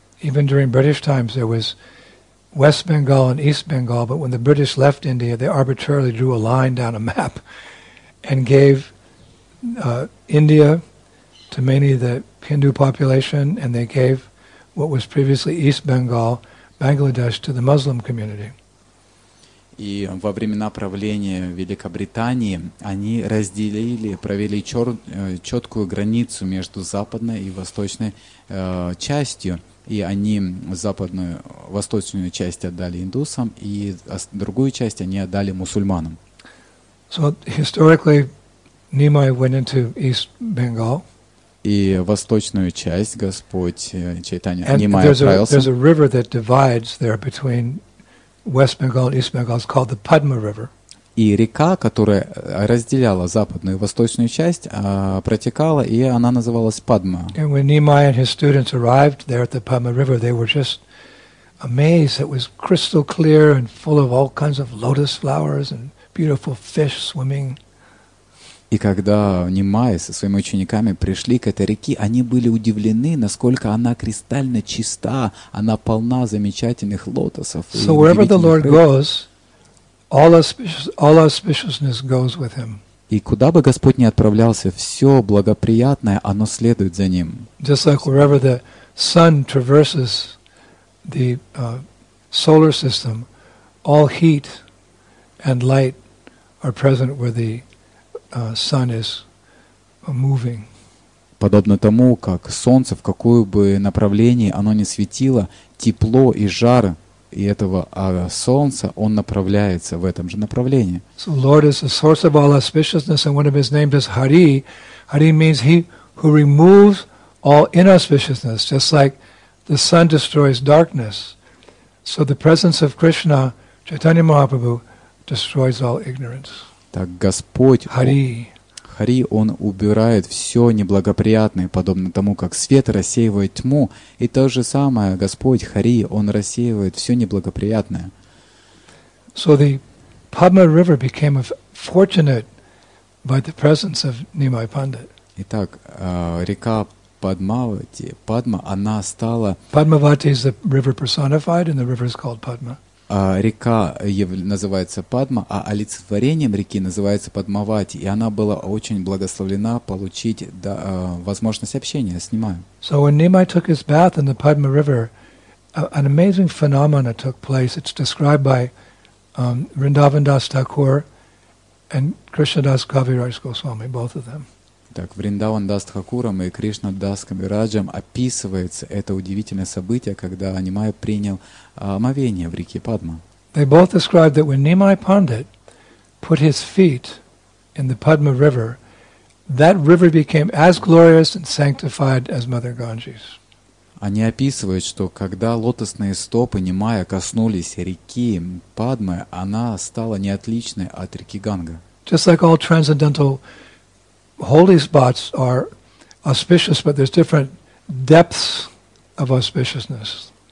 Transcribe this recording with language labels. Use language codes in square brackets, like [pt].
[en] Even during British times there was West Bengal and East Bengal, but when the British left India, they arbitrarily drew a line down a map and gave India to mainly the Hindu population, and they gave what was previously East Bengal, Bangladesh, to the Muslim community. [ru] И во времена правления Великобритании они разделили, провели четкую границу между западной и восточной частью, и они западную, восточную часть отдали индусам, и другую часть они отдали мусульманам. [en] So historically, Nimai went into East Bengal. [ru] И восточную часть Господь Чайтанья Нимай отправился. [en] There's a river that divides there between West Bengal and East Bengal. It's called the Padma River. [ru] И река, которая разделяла западную и восточную часть, протекала, и она называлась Падма. [en] And when Nimai and his students arrived there at the Padma River, they were just amazed. It was crystal clear and full of all kinds of lotus flowers and beautiful fish swimming. [ru] И когда Нимай со своими учениками пришли к этой реке, они были удивлены, насколько она кристально чиста, она полна замечательных лотосов. [en] So wherever the Lord goes, all auspiciousness goes with him. [ru] И куда бы Господь ни отправлялся, все благоприятное, оно следует за ним. [en] Just like wherever the sun traverses the solar system, all heat and light are present where the sun is moving. [ru] Подобно тому, как солнце в какое бы направление оно ни светило, тепло и жар и этого солнца, он направляется в этом же направлении. [en] So Lord is the source of all auspiciousness, and one of his names is Hari. Hari means he who removes all inauspiciousness, just like the sun destroys darkness. So the presence of Krishna, Chaitanya Mahaprabhu, destroys all ignorance. [ru] Так Господь, Хари. Хари, Он убирает все неблагоприятное, подобно тому, как свет рассеивает тьму. И то же самое, Господь Хари, Он рассеивает все неблагоприятное. So the Padma River became fortunate by the presence of Nimai Pandit. Итак, река Падмавати, Падма, она стала... [en] Падмавати is the river personified, and the river is called Padma. [ru] Река называется Падма, а олицетворением реки называется Падмавати, и она была очень благословлена получить возможность общения с Нимай. [en] So when Nimai took his bath in the Padma River, an amazing phenomena took place. It's described by Vrindavan Das Thakur and Krishnadas Kaviraj Goswami, both of them. [ru] Так, Вриндаван Дас Тхакурам и Кришна Дас Кавираджам описывается это удивительное событие, когда Нимай принял омовение в реке Падма. [en] They both describe that when Nimai Pandit put his feet in the Padma River, that river became as glorious and sanctified as Mother Ganges. [ru] Они описывают, что когда лотосные стопы Нимая коснулись реки Падмы, она стала неотличной от реки Ганга. [en] Just like all transcendental holy spots are auspicious, but there's different depths of auspiciousness.